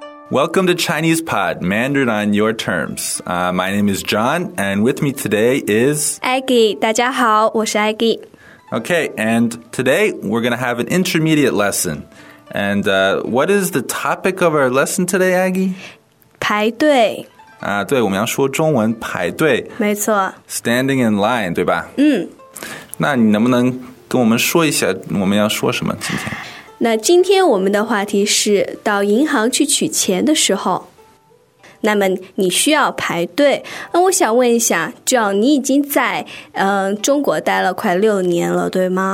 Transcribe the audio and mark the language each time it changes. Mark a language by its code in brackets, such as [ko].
[en] Welcome to Chinese Pod, Mandarin on your terms. My name is John, and with me today is... [zh] Aggie, 大家好,我是 Aggie. [en] Okay, and today we're going to have an intermediate lesson. And what is the topic of our lesson today, Aggie? [zh] 排队。对,我们要说中文排队。没错。 [en] Standing in line, 对吧? [zh] 那你能不能跟我们说一下我们要说什么今天? 那今天我们的话题是到银行去取钱的时候，那么你需要排队。那我想问一下 John, 你已经在中国待了快六年了，对吗？